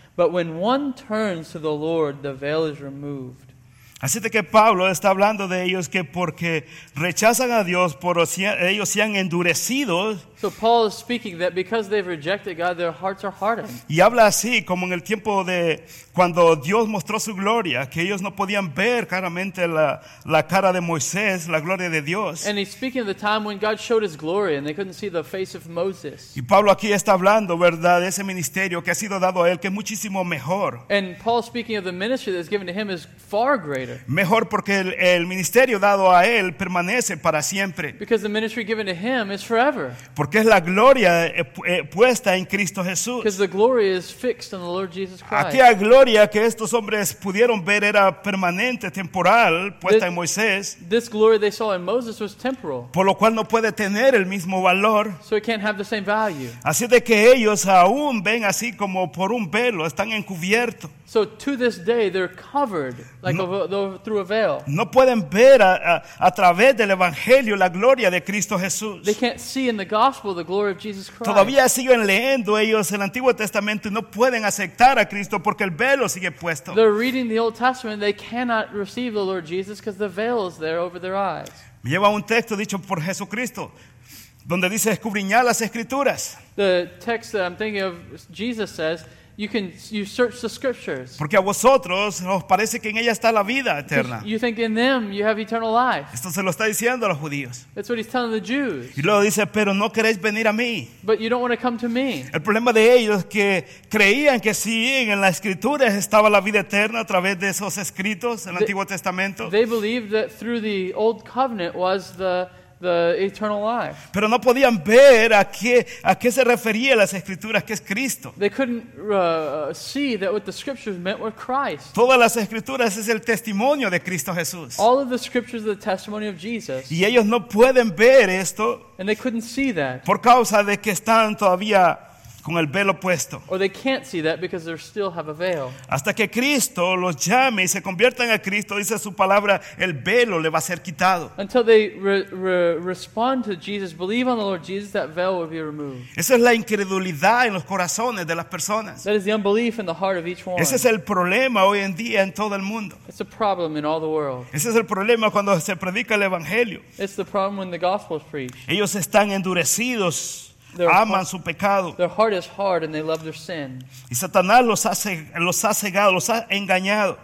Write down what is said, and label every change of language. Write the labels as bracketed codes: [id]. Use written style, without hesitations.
[en] But when one turns to the Lord, the veil is removed. [es] Así de que Pablo está hablando de ellos que porque rechazan a Dios, por ellos se han endurecido. [en] So Paul is speaking that because they've rejected God, their hearts are hardened. [es] Y habla así como en el tiempo de cuando Dios mostró su gloria, que ellos no podían ver claramente la cara de Moisés, la gloria de Dios. [en] And he's speaking of the time when God showed his glory and they couldn't see the face of Moses. [es] Y Pablo aquí está hablando, ¿verdad?, de ese ministerio que ha sido dado a él, que es muchísimo mejor. [en] And Paul speaking of the ministry that's given to him is far greater. [es] Mejor porque el ministerio dado a él permanece para siempre. [en] Because the ministry given to him is forever. [es] Porque es la gloria puesta en Cristo Jesús. [en] Because the glory is fixed in the Lord Jesus Christ. [es] Aquella gloria que estos hombres pudieron ver era permanente, temporal, puesta en Moisés. [en] This glory they saw in Moses was temporal. [es] Por lo cual no puede tener el mismo valor. [en] So it can't have the same value. [es] Así de que ellos aún ven así como por un velo, están encubiertos. [en] So to this day they're covered like through a veil. [es] No pueden ver a través del evangelio la gloria de Cristo Jesús. [en] They can't see in the gospel the glory of Jesus Christ. [es] Todavía siguen leyendo ellos el Antiguo Testamento y no pueden aceptar a Cristo porque el velo sigue puesto. [en] They're reading the Old Testament, they cannot receive the Lord Jesus because the veil is there over their eyes. [es] Me lleva un texto dicho por Jesucristo donde dice escudriñar las escrituras. [en] The text that I'm thinking of, Jesus says, You search the scriptures. [es] Porque a vosotros os parece que en ella está la vida eterna. [en] You think in them you have eternal life. [es] Esto se lo está diciendo a los judíos. [en] That's what he's telling the Jews. [es] Y luego dice, pero no queréis venir a mí. [en] But you don't want to come to me. [es] El problema de ellos es que creían que sí, en las escrituras estaba la vida eterna a través de esos escritos en el Antiguo Testamento. [en] They believed that through the old covenant was the the eternal life. [es] Pero no podían ver a qué se refería las escrituras, que es Cristo. [en] They couldn't see that what the scriptures meant were Christ. [es] Todas las escrituras es el testimonio de Cristo Jesús. [en] All of the scriptures are the testimony of Jesus. [es] Y ellos no pueden ver esto. [en] And they couldn't see that. [es] Por causa de que están todavía con el velo puesto. [en] Or they can't see that because they still have a veil. [es] Hasta que Cristo los llame y se conviertan a Cristo, dice su palabra, el velo le va a ser quitado. [en] Until they respond to Jesus, believe on the Lord Jesus, that veil will be removed. [es] Esa es la incredulidad en los corazones de las personas. [en] That is the unbelief in the heart of each one. [es] Ese es el problema hoy en día en todo el mundo. [en] It's a problem in all the world. [es] Ese es el problema cuando se predica el evangelio. [en] It's the problem when the gospel is preached. [es] Ellos están endurecidos. Aman su pecado. [en] Their heart is hard and they love their sin. [es] Y Satanás los ha cegado, los ha engañado.